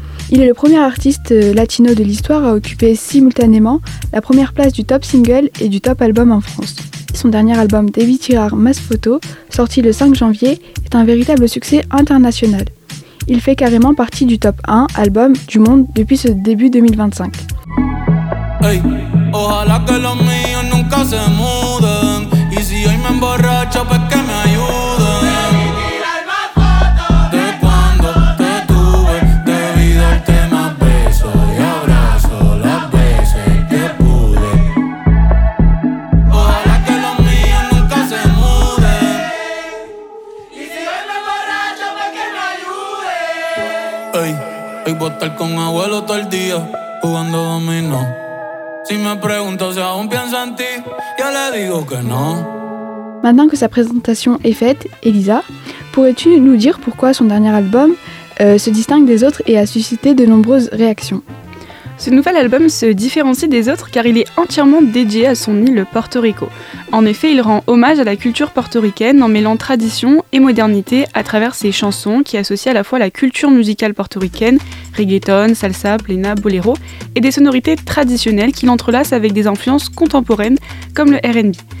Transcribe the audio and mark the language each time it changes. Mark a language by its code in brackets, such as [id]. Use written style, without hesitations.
[fr] Il est le premier artiste latino de l'histoire à occuper simultanément la première place du top single et du top album en France. Son dernier album David Tirarmas Photos, sorti le 5 janvier, est un véritable succès international. Il fait carrément partie du top 1 album du monde depuis ce début 2025. [es] Hey, ojalá que los míos nunca se muden. Y si hoy me emborracho, pues que me ayuden. De cuando te tuve, te vi darte más besos y abrazos las veces que pude. Ojalá que los míos nunca se muden. Y si hoy me emborracho, pues que me ayuden. Hey, hey, voy a estar con abuelo todo el día. Jugando dominó. Si me pregunto si aún pienso en ti, yo le digo que no. [fr] Maintenant que sa présentation est faite, Elisa, pourrais-tu nous dire pourquoi son dernier album se distingue des autres et a suscité de nombreuses réactions? Ce nouvel album se différencie des autres car il est entièrement dédié à son île Porto Rico. En effet, il rend hommage à la culture portoricaine en mêlant tradition et modernité à travers ses chansons qui associent à la fois la culture musicale portoricaine, reggaeton, salsa, plena, bolero, et des sonorités traditionnelles qu'il entrelace avec des influences contemporaines comme le R&B.